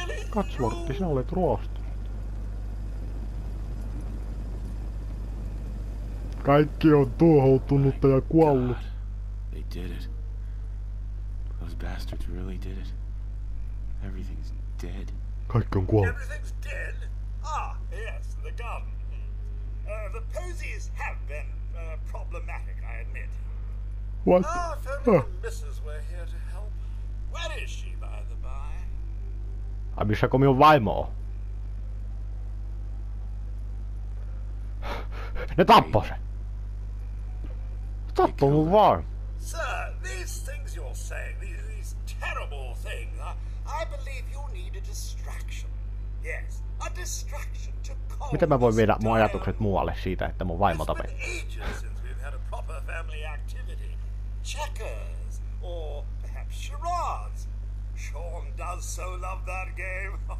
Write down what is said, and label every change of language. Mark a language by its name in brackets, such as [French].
[Finnish] Katsuportti, sinä olet ruostunut. Kaikki on tuhoutunutta ja kuollut. [English] Did it. Those bastards really did it. Everything's dead. [Finnish] Kaikki on kuollut. [English] Everything's dead? Ah, yes, the gun. The posies have been problematic, I admit. What? Ah, if only the missus were here to help. Where is she, by the by? [Finnish] Ai, missä kun minun vaimo on? Ne tappoi sen! Sattuu vaan. [English] Sir, these things you're saying, these terrible things, I believe you need a distraction. Yes, a distraction to call. [Finnish] Miten mä voin viedä mun ajatukset muualle siitä, että mun vaimo tapetti? [English] It's been ages since we've had a proper family activity. Checkers, or perhaps charades. Sean does so love that game.